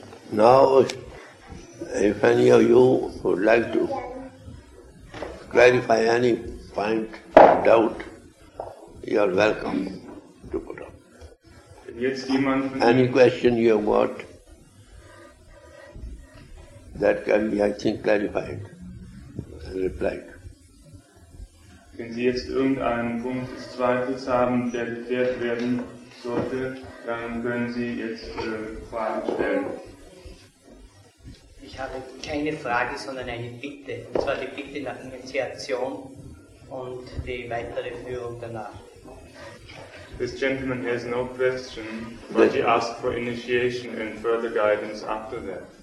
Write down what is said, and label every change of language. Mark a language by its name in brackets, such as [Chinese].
[English] Now, if any of you would like to clarify any point, doubt, you are welcome to put up. [German] Jetzt jemand von [English] any question you have got, that can be, I think, clarified and replied. [German] Wenn Sie jetzt irgendeinen Punkt des Zweifels haben, der geklärt werden sollte, dann können Sie jetzt Fragen stellen. Ich habe keine Frage, sondern eine Bitte. Und zwar die Bitte nach Initiation und die weitere Führung danach. [English] This gentleman has no question, but he asked for initiation and further guidance after that.